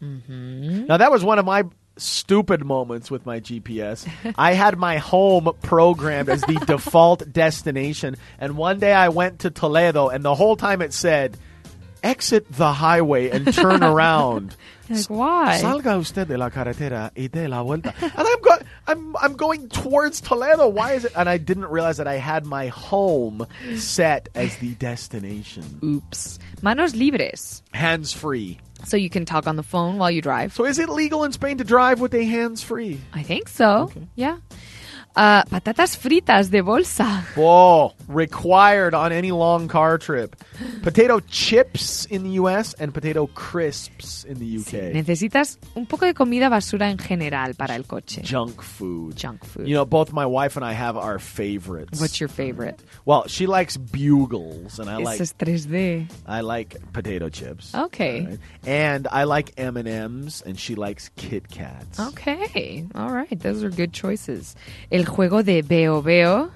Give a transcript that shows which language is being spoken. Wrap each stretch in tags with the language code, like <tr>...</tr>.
<en>Mm-hmm. Now, that was one of my stupid moments with my GPS. I had my home programmed as the default destination. And one day I went to Toledo and the whole time it said, exit the highway and turn around. Like, why?</en> <es>Salga usted de la carretera y de la vuelta.</es> <en>And I'm going towards Toledo. Why is it? And I didn't realize that I had my home set as the destination.</en> <es>Oops. Manos libres.</es> <en>Hands free. So you can talk on the phone while you drive. So is it legal in Spain to drive with a hands free? I think so. Okay. Yeah.</en> <es>Patatas fritas de bolsa.</es> <en>Whoa. Required on any long car trip. Potato chips in the US and potato crisps in the UK.</en> <es>Sí, necesitas un poco de comida basura en general para el coche.</es> <en>Junk food. Junk food. You know, both my wife and I have our favorites. What's your favorite? Well, she likes Bugles and I</en> <es>Esos</es> <en>like...</en> <es>Esos 3D.</es> <en>I like potato chips. Okay. Right? And I like M&Ms and she likes Kit Kats. Okay. All right. Those are good choices.</en> <es>El juego de Veo Veo.</es>